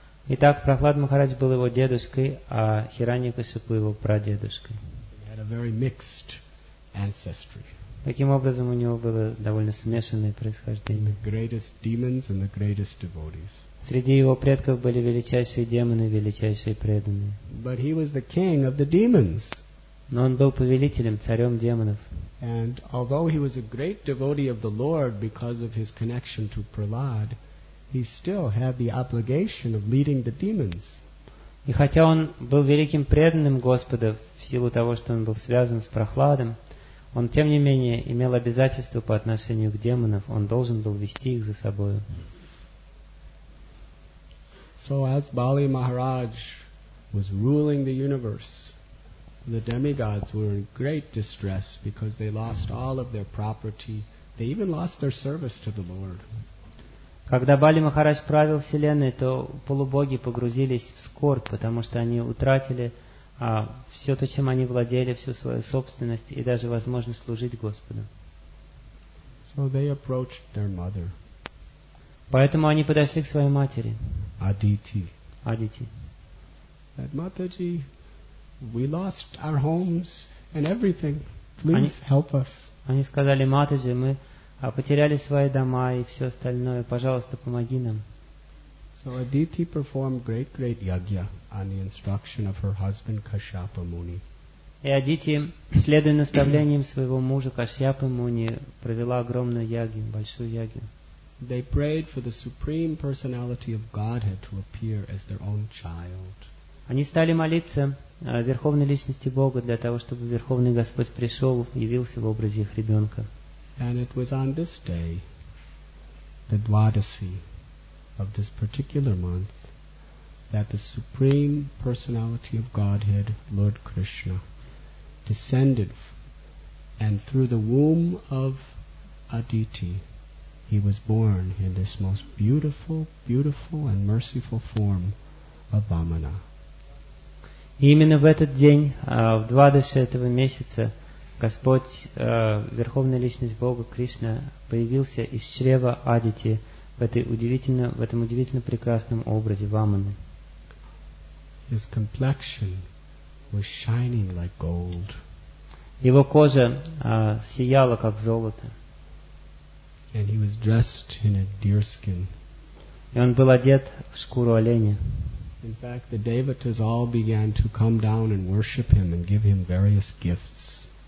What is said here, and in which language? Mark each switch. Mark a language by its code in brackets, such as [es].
[ru] Итак, Прохлад Махарадж был его дедушкой, а Хиранья Кашипу его прадедушкой. [en] He had a very mixed ancestry. [ru] Таким образом, у него было довольно смешанное происхождение. [en] The greatest demons and the greatest devotees. [ru] Среди его предков были величайшие демоны, величайшие преданные. [en] But he was the king of the demons. [ru] Но он был повелителем, царем демонов. [en] And although he was a great devotee of the Lord because of his connection to Prahlad, he still had the obligation of leading the demons. [ru] И хотя он был великим преданным Господа в силу того, что он был связан с Прохладом, он, тем не менее, имел обязательство по отношению к демонам. Он должен был вести их за собою. [en] So as Bali Maharaj was ruling the universe, the demigods were in great distress because they lost all of their property. They even lost their service to the Lord. [ru] Когда Бали Махарадж правил вселенной, то полубоги погрузились в скорбь, потому что они утратили все то, чем они владели, всю свою собственность и даже возможность служить Господу. [en] So they approached their mother. [ru] Поэтому они подошли к своей матери. Адити. Адити. [en] That Mataji, we lost our homes and everything. Please help us. [ru] Они сказали: Матаджи, мы потеряли свои дома и все остальное. Пожалуйста, помоги нам. [en] So Aditi performed great yagya on the instruction of her husband Kashyapa Muni. [ru] И Адити, следуя наставлениям своего мужа Кашьяпы Муни, провела огромную ягью, большую ягью. [en] They prayed for the supreme personality of Godhead to appear as their own child. [ru] Они стали молиться верховной личности Бога для того, чтобы верховный Господь пришел, явился в образе их ребенка. [en] And it was on this day, the Dwadasi of this particular month, that the supreme personality of Godhead, Lord Krishna, descended, and through the womb of Aditi, he was born in this most beautiful and merciful form of Vamana. [ru] Именно в этот день, в Двадаши этого месяца, Господь, Верховная Личность Бога, Кришна, появился из чрева Адити в этом удивительно прекрасном образе Ваманы. [en] His complexion was shining like gold. [ru] Его кожа сияла, как золото. [en] And he was dressed in a deer skin. [ru] И он был одет в шкуру оленя. [en] In fact, the devatas all began to come down and worship him and give him various gifts.